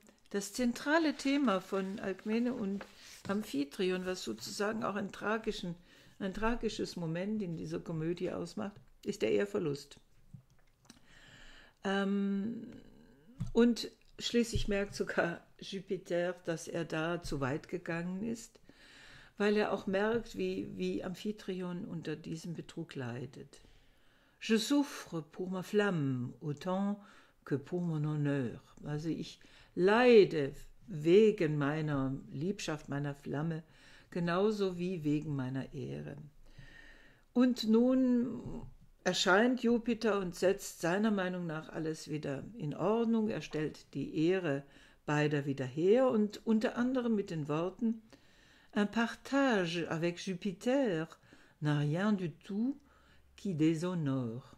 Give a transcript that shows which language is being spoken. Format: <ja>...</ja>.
<de>Das zentrale Thema von Alkmene und Amphitryon, was sozusagen auch ein tragisches Moment in dieser Komödie ausmacht, ist der Eheverlust. Und schließlich merkt sogar Jupiter, dass er da zu weit gegangen ist, weil er auch merkt, wie Amphitryon unter diesem Betrug leidet.</de> <fr>Je souffre pour ma flamme autant que pour mon honneur.</fr> <de>Also ich leide wegen meiner Liebschaft, meiner Flamme, genauso wie wegen meiner Ehre. Und nun erscheint Jupiter und setzt seiner Meinung nach alles wieder in Ordnung. Er stellt die Ehre beider wieder her und unter anderem mit den Worten:</de> <fr>Un partage avec Jupiter n'a rien du tout qui déshonore.</fr>